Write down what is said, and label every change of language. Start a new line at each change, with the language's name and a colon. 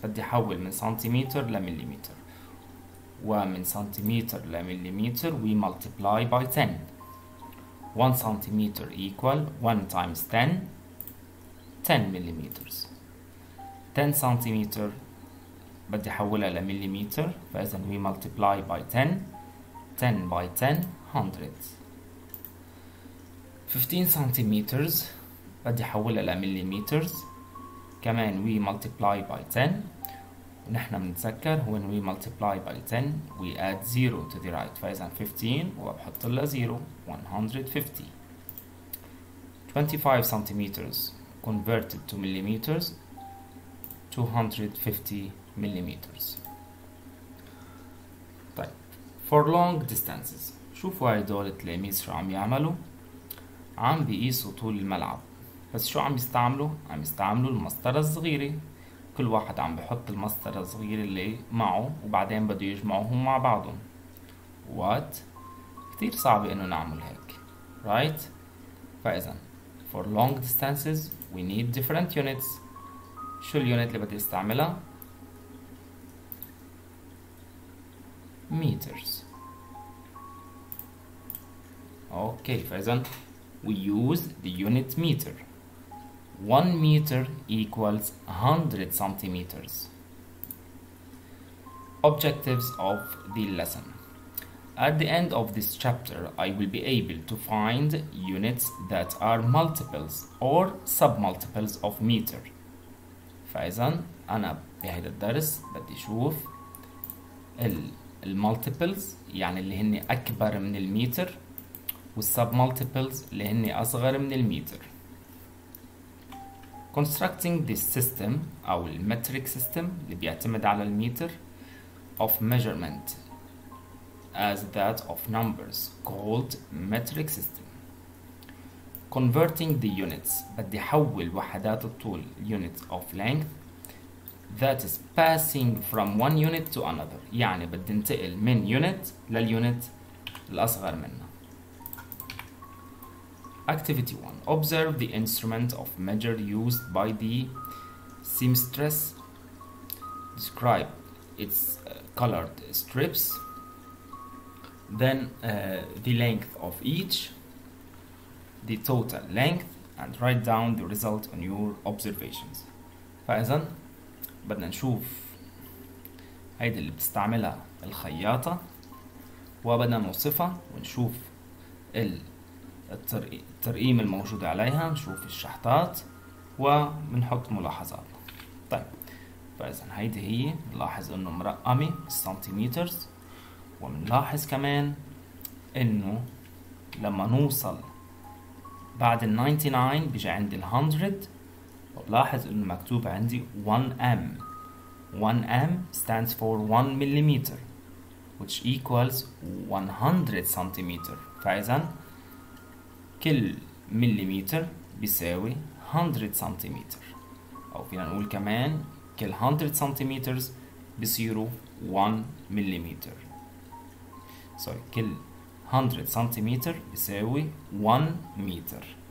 Arabic: بدي حول من سنتيمتر لمليمتر. ومن سنتيمتر لمليمتر
English: we multiply by 10. 1 centimeter equal 1 times 10. 10 millimeters.
Arabic: 10 centimeter بدي حولها لمليمتر.
English: فإذا we multiply by 10. 10 by 10 hundreds.
Arabic: 15 centimeters بدي حولها لمليمترز كمان
English: we multiply by 10.
Arabic: ونحن بنتذكر
English: when we multiply by 10 we add 0 to the right.
Arabic: فإذا 15 وبحط لها 0 150.
English: 25 centimeters converted to millimeters 250 millimeters.
Arabic: طيب
English: for long distances
Arabic: شوفوا هيدول التلاميذ شو عم يعملوا. عم بيقيسوا طول الملعب بس شو عم يستعملوا؟ عم يستعملوا المسطرة الصغيرة. كل واحد عم بحط المسطرة الصغيرة اللي معه وبعدين بده يجمعهم مع بعضهم.
English: What؟
Arabic: كتير صعب انه نعمل هيك.
English: Right؟ فإذا for long distances we need different units.
Arabic: شو اليونت اللي بدي استعملها؟ meters.
English: Okay. فإذا we use the unit meter. 1 meter equals 100 centimeters. objectives of the lesson. At the end of this chapter, I will be able to find units that are multiples or submultiples of meter.
Arabic: فإذا أنا بهذا الدرس بدي أشوف المالتيبلز يعني اللي هن أكبر من المتر والسبمالتيبلز اللي هن أصغر من المتر.
English: Constructing this system
Arabic: أو المتريك سيستم اللي بيعتمد على المتر
English: of measurement as that of numbers called metric system. Converting the units
Arabic: بدي حول وحدات الطول
English: unit of length that is passing from one unit to another
Arabic: يعني بدي انتقل من
English: unit
Arabic: لليونت الأصغر منها.
English: Activity 1. Observe the instrument of measure used by the seamstress. Describe its colored strips. Then the length of each, the total length, and write down the result on your observations.
Arabic: فإذا بدنا نشوف هيدي اللي بتستعملها الخياطة وبدنا نوصفها ونشوف الترقيم الموجود عليها، نشوف الشحطات ونحط ملاحظات. طيب فإذا هيدي هي، نلاحظ انه مرقمة سنتيمترز، ومنلاحظ كمان انه لما نوصل بعد ال 99 بيجي عندي ال 100، وبلاحظ انه مكتوب عندي 1 m.
English: 1 m stands for 1 millimeter which equals 100 centimeter.
Arabic: فإذا كل مليمتر بيساوي 100 centimeter، او فينا نقول كمان كل 100 centimeters بيصيروا 1 millimeter.
English: Sorry,
Arabic: كل 100 سنتيمتر بيساوي 1 متر.